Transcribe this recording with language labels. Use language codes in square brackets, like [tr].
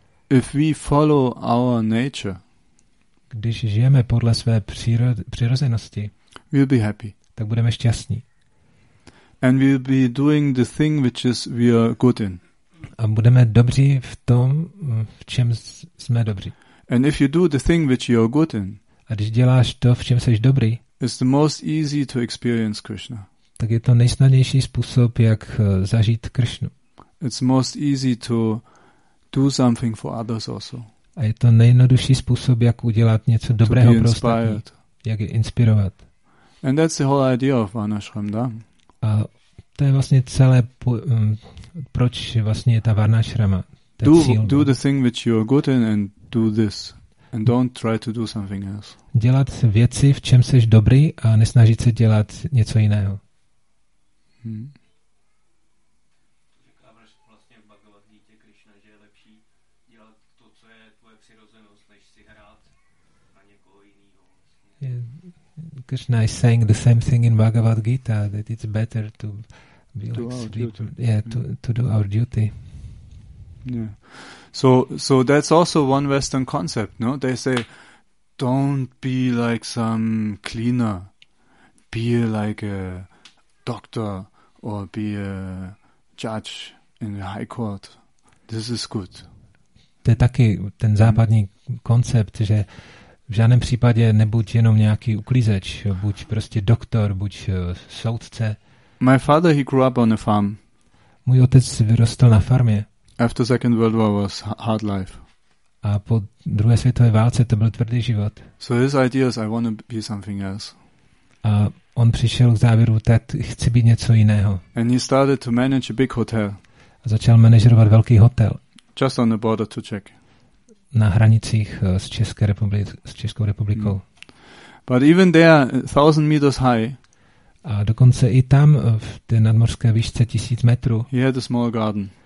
[en] If we follow our nature, [cs] když žijeme podle své přirozenosti, [en] we'll be happy. [cs] Tak budeme šťastní. [en] And we'll be doing the thing which is we are good in. [cs] A budeme dobří v tom, v čem jsme dobří. [en] And if you do the thing which you are good in, [cs] a když děláš to, v čem seš dobrý, [en] it's the most easy to experience Krishna. [cs] Tak je to nejsnadnější způsob, jak zažít Krishnu. [en] It's most easy to do something for others also. [cs] A je to nejjednodušší způsob, jak udělat něco dobrého pro ostatní, jak je inspirovat. [en] And that's the whole idea of Varnashram Dham. [cs] A to je vlastně celé, proč vlastně je ta Varnashrama, ten cíl. [en] Do the thing which you are good in and do this. And don't try to do something else. [cs] Dělat věci, v čem seš dobrý, a nesnažit se dělat něco jiného. [en] Krishna is saying the same thing in Bhagavad Gita, that it's better to be do like sweet, to do our duty. Yeah. So that's also one Western concept, no? They say, don't be like some cleaner, be like a doctor or be a judge in the high court. This is good. [cs] To je taky ten západní koncept, že v žádném případě nebuď jenom nějaký uklízeč, buď prostě doktor, buď soudce. [en] My father, he grew up on a farm. [cs] Můj otec vyrostl na farmě. [en] After Second World War was hard life. [cs] A po druhé světové válce to byl tvrdý život. [en] So his idea is, I want to be something else. [cs] A on přišel k závěru, tak chci být něco jiného. [en] And he started to manage a big hotel. [cs] A začal manažerovat velký hotel. [en] Just on the border to Czech. [cs] Na hranicích s Českou republikou. [en] Mm. But even there, 1,000 meters high. [cs] A dokonce i tam, v té nadmořské výšce 1,000 metrů. [en] He had a small garden.